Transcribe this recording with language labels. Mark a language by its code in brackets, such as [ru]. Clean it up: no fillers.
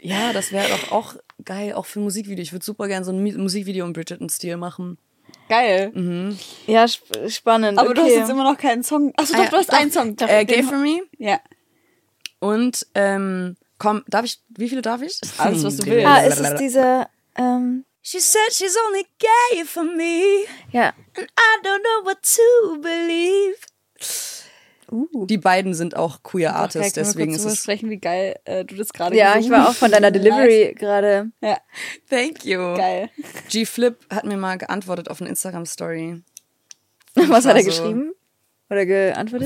[de] Ja, das wäre doch auch geil, auch für ein Musikvideo. Ich würde super gerne so ein Musikvideo im Bridgerton-Stil machen. Geil. Mhm. Ja, spannend. Aber okay. Du hast jetzt immer noch keinen Song. Achso, doch, du hast einen Song. [en] Gay For Me. [de] Ja. Und, darf ich, wie viele darf ich? Alles, was du willst. Ah, ist es diese, [en] She said she's only gay for me. [de] Ja. [en] And I don't know what to believe. [de] Die beiden sind auch queer Artists, okay, deswegen ist es. Kurz sprechen, wie geil du das gerade. Ja, ich war auch von deiner Delivery gerade. Ja. [en] Thank you. [de] Geil. G Flip hat mir mal geantwortet auf eine Instagram Story. Was hat er geschrieben? Oder geantwortet?